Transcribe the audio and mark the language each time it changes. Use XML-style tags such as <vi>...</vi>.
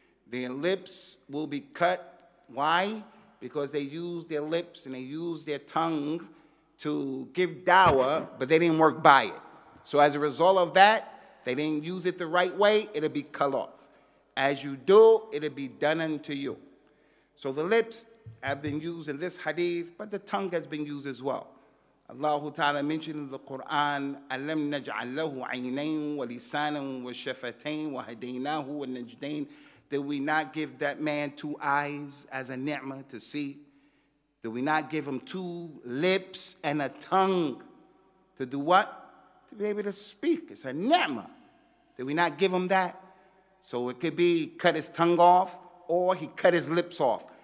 <en>Their lips will be cut. Why? Because they use their lips and they use their tongue to give dawah, but they didn't work by it. So as a result of that, they didn't use it the right way, it'll be cut off. As you do, it'll be done unto you. So the lips have been used in this hadith, but the tongue has been used as well. Allah Ta'ala mentioned in the Quran,</en> <ar>أَلَمْ نَجْعَلْ لَهُ عَيْنَيْنِ وَلِسَانًا وَشَفَتَيْنِ وَهَدَيْنَاهُ وَالنَّجْدَيْنِ.</ar> <en>Did we not give that man two eyes as a ni'mah to see? Did we not give him two lips and a tongue to do what? To be able to speak. It's a ni'mah. Did we not give him that? So it could be cut his tongue off or he cut his lips off.</en>